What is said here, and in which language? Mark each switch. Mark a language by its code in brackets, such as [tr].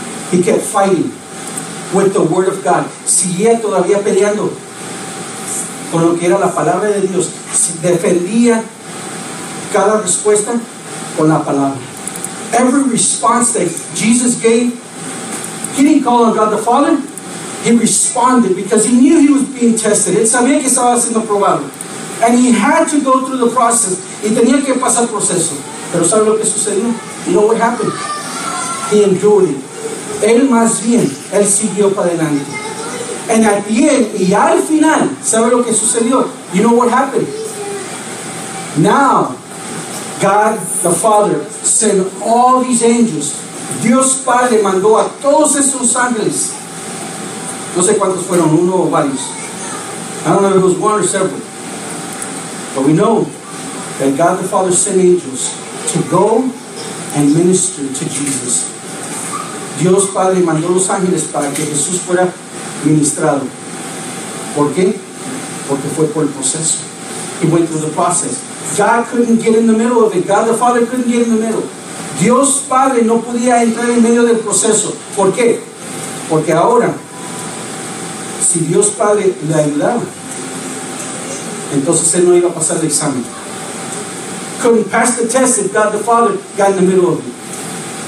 [en] He kept fighting with the word of God. [es] Seguía todavía peleando con lo que era la palabra de Dios. Defendía cada respuesta con la palabra. [en] Every response that Jesus gave, he didn't call on God the Father. He responded because he knew he was being tested. [es] Él sabía que estaba siendo probado. [en] And he had to go through the process. [es] Y tenía que pasar el proceso. Pero ¿sabe lo que sucedió? [en] You know what happened? He endured it. [es] Él más bien, él siguió para adelante. [en] And at the end, [es] y al final, ¿sabe lo que sucedió? [en] You know what happened? Now, God the Father sent all these angels. [es] Dios Padre mandó a todos esos ángeles. No sé cuántos fueron, uno o varios. [en] I don't know if it was one or several. But we know that God the Father sent angels to go and minister to Jesus. [es] Dios Padre mandó los ángeles para que Jesús fuera ministrado. ¿Por qué? Porque fue por el proceso. [en] He went through the process. God couldn't get in the middle of it. God the Father couldn't get in the middle. [es] Dios Padre no podía entrar en medio del proceso. ¿Por qué? Porque ahora, si Dios Padre le ayudaba, entonces él no iba a pasar el examen. [en] Couldn't pass the test if God the Father got in the middle of it.